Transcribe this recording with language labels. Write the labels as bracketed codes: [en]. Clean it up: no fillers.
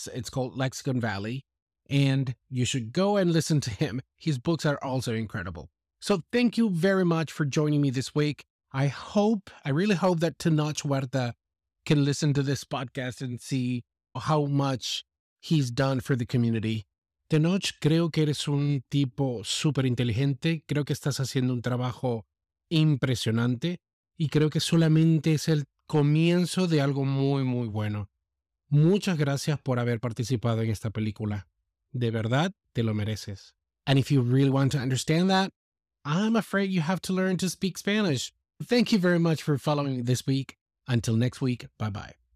[en] It's called Lexicon Valley, and you should go and listen to him. His books are also incredible. So thank you very much for joining me this week. I really hope that Tinoch Huerta can listen to this podcast and see how much he's done for the community. [es] Tinoch, creo que eres un tipo súper inteligente. Creo que estás haciendo un trabajo impresionante. Y creo que solamente es el comienzo de algo muy, muy bueno. Muchas gracias por haber participado en esta película. De verdad, te lo mereces. [en] And if you really want to understand that, I'm afraid you have to learn to speak Spanish. Thank you very much for following me this week. Until next week, bye-bye.